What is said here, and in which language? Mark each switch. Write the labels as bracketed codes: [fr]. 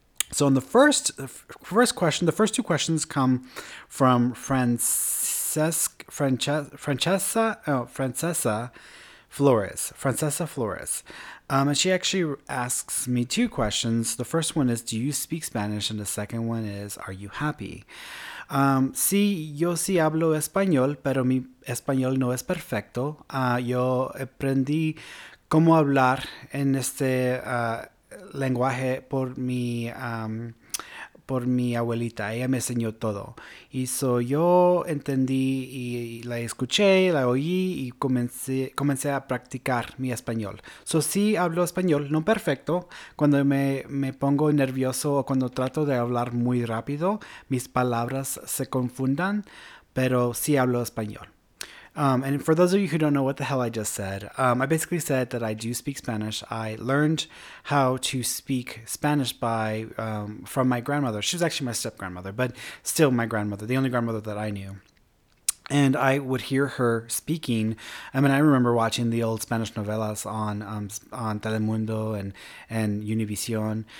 [en] So on the first two questions come from Francesca Flores. And she actually asks me two questions. The first one is, do you speak Spanish? And the second one is, are you happy? [es] Sí, yo sí hablo español, pero mi español no es perfecto. Yo aprendí cómo hablar en este lenguaje por mi abuelita. Ella me enseñó todo. Y so yo entendí y la escuché, la oí y comencé a practicar mi español. So sí hablo español, no perfecto. Cuando me pongo nervioso o cuando trato de hablar muy rápido, mis palabras se confundan, pero sí hablo español. [en] And for those of you who don't know what the hell I just said, I basically said that I do speak Spanish. I learned how to speak Spanish from my grandmother. She was actually my step-grandmother, but still my grandmother, the only grandmother that I knew. And I would hear her speaking. I mean, I remember watching the old Spanish novellas on Telemundo and Univision.